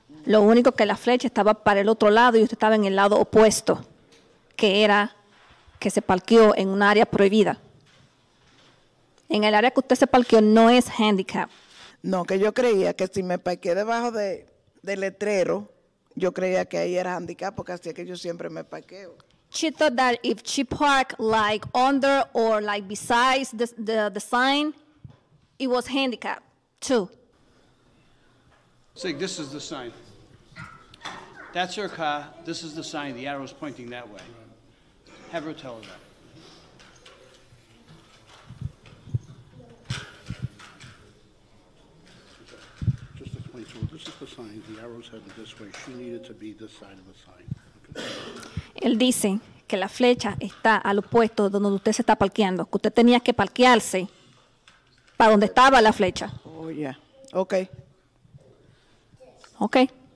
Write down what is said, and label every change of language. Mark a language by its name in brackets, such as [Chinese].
[Spanish] Lo único que la flecha estaba para el otro lado y usted estaba en el lado opuesto, que era que se parqueó en un área prohibida. En el área que usted se parqueó no es handicap. No, que yo creía que si me parqué debajo del letrero, yo creía que ahí era handicap porque así es que yo siempre me parqueo. [English] She thought that if she parked like under or like besides the sign, it was handicap too. See, this is the sign. That's her car. This is the sign. The arrow's pointing that way. Have her tell her that. Just explain to her, this is the sign. The arrow's headed this way. She needed to be this side of the sign. Okay. [Spanish] Él dice que la flecha está al opuesto donde usted se está parqueando, que usted tenía que parquearse para donde estaba la flecha. [English] Oh, yeah. Okay. Okay.